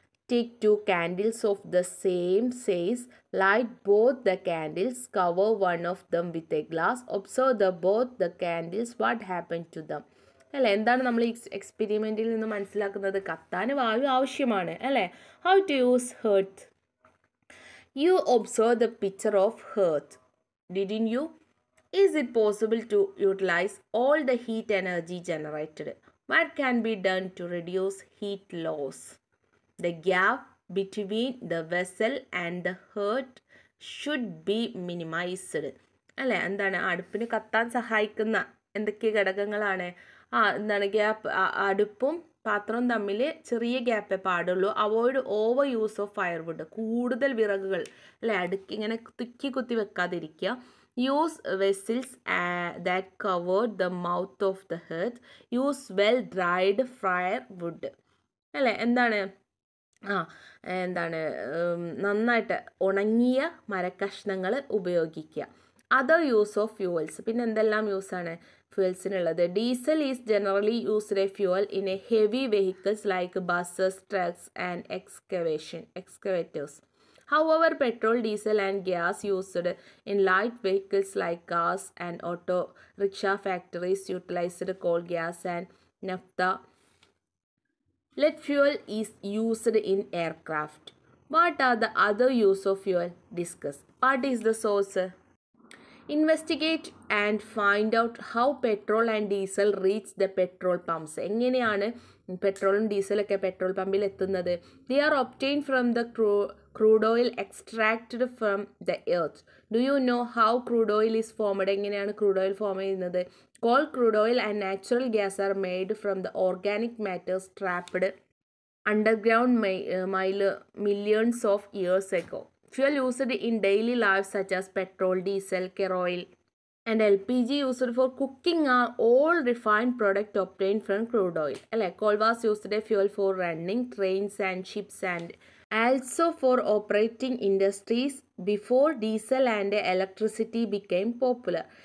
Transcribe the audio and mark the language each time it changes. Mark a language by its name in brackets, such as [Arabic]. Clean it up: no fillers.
[English] Take two candles of the same size, light both the candles, cover one of them with a glass, observe the both the candles, what happen to them. [Malayalam] അല്ലേ, എന്താണ് നമ്മൾ എക്സ്പെരിമെൻറ്റിൽ നിന്ന് മനസ്സിലാക്കുന്നത്? കത്താൻ വായു ആവശ്യമാണ്, അല്ലേ? [English] How to use hearth? You observe the picture of hearth, didn't you? Is it possible to utilize all the heat energy generated? What can be done to reduce heat loss? The gap between the vessel and the hearth should be minimized. [Malayalam] Alle endana adupine kattan sahayikkuna endakke gadagangalane endana gap adupum പാത്രം തമ്മിൽ ചെറിയ ഗ്യാപ്പേ പാടുള്ളൂ. [English] avoid over use of firewood, [Malayalam] കൂടുതൽ വിറകുകൾ അല്ലേ അടുക്കി ഇങ്ങനെ തിക്കി കുത്തി വെക്കാതിരിക്കുക. [English] Use vessels that covered the mouth of the hearth. Use well dried firewood, അല്ലേ? [Malayalam] എന്താണ്, ആ എന്താണ്, നന്നായിട്ട് ഉണങ്ങിയ മരക്കഷ്ണങ്ങൾ ഉപയോഗിക്കുക. [English] other use of fuels, [Malayalam] പിന്നെ എന്തെല്ലാം യൂസാണ് ഫ്യൂവൽസിനുള്ളത്? [English] Diesel is generally used a fuel in a heavy vehicles like buses, trucks and excavation excavators. However, petrol, diesel and gas used in light vehicles like cars and auto rickshaw factories utilized coal gas and naphtha. Let fuel is used in aircraft. What are the other use of fuel? Discuss. What is the source? Investigate and find out how petrol and diesel reach the petrol pumps. [Malayalam] എങ്ങനെയാണ് പെട്രോളും ഡീസലൊക്കെ petrol പമ്പിൽ എത്തുന്നത്? [English] They are obtained from the crude oil extracted from the earth. Do you know how crude oil is formed? [Malayalam] എങ്ങനെയാണ് crude oil form ചെയ്യുന്നത്? [English] Coal, crude oil and natural gas are made from the organic matters trapped underground millions of years ago. Fuel used in daily life such as petrol, diesel, kerosene and LPG used for cooking are all refined product obtained from crude oil. Coal was used as fuel for running trains and ships and also for operating industries before diesel and electricity became popular.